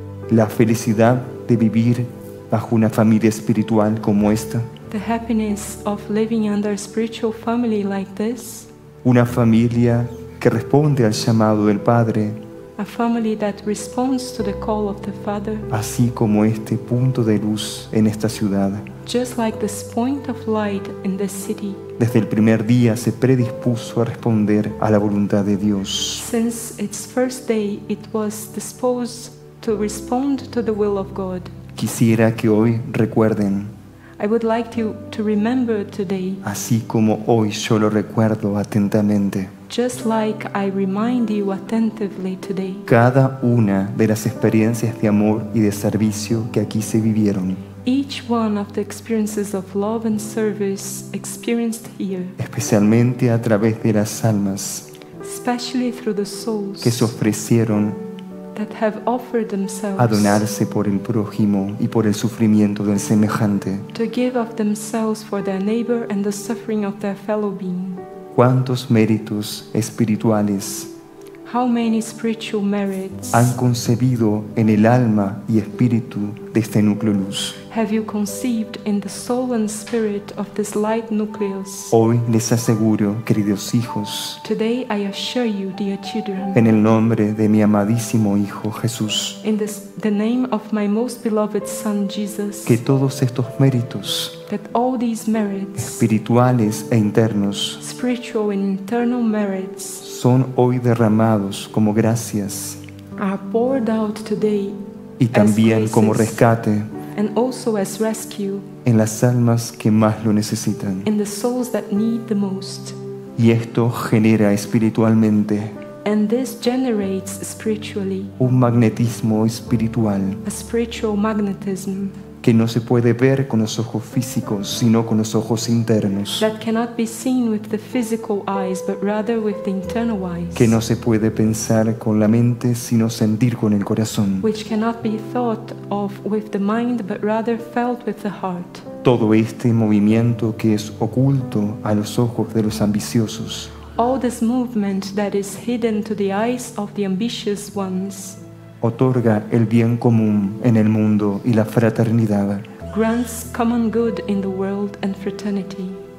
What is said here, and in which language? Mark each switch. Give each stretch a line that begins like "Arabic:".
Spanish: La felicidad de vivir bajo una familia espiritual como esta.
English: The happiness of living under a spiritual family like this.
Spanish: Una familia que responde al llamado del Padre.
English: A family that responds to the call of the Father.
Spanish: Así como este punto de luz en esta ciudad.
English: Just like this point of light in this city.
Spanish: Desde el primer día se predispuso a responder a la voluntad de Dios.
English: Since its first day it was disposed to respond to the will of God.
Spanish: Quisiera que hoy recuerden.
English: I would like to remember today.
Spanish: Así como hoy yo lo recuerdo atentamente.
English: Just like I remind you attentively today.
Spanish: Cada una de las experiencias de amor y de servicio que aquí se vivieron.
English: Each one of the experiences of love and service experienced here.
Spanish: Especialmente a través de las almas.
English: Especially through the souls.
Spanish: Que se ofrecieron.
English: That have offered themselves
Spanish: a donarse por el prójimo y por el sufrimiento del semejante.
English: To give of themselves for their neighbor and the suffering of their fellow being.
Spanish: ¿Cuántos méritos espirituales?
English: How many spiritual merits
Spanish: han concebido en el alma y espíritu de este núcleo luz?
English: Have you conceived in the soul and spirit of this light nucleus?
Spanish: Hoy les aseguro, queridos hijos,
English: today I assure you, dear children,
Spanish: en el nombre de mi amadísimo Hijo Jesús,
English: in this, the name of my most beloved Son Jesus,
Spanish: que todos estos méritos,
English: that all these merits,
Spanish: espirituales e internos,
English: spiritual and internal merits,
Spanish: son hoy derramados como gracias,
English: are poured out today,
Spanish: y también como rescate,
English: and also as rescue,
Spanish: en las almas que más lo necesitan,
English: in the souls that need the most,
Spanish: y esto genera espiritualmente,
English: and this generates spiritually,
Spanish: un magnetismo espiritual,
English: a spiritual magnetism,
Spanish: que no se puede ver con los ojos físicos, sino con los ojos internos.
English: That cannot be seen with the physical eyes, but rather with the internal eyes.
Spanish: Que no se puede pensar con la mente, sino sentir con el corazón.
English: Which cannot be thought of with the mind, but rather felt with the heart.
Spanish: Todo este movimiento que es oculto a los ojos de los ambiciosos.
English: All this movement that is hidden to the eyes of the ambitious ones.
Spanish: Otorga el bien común en el mundo y la fraternidad.
English: Grants common good in the world and fraternity.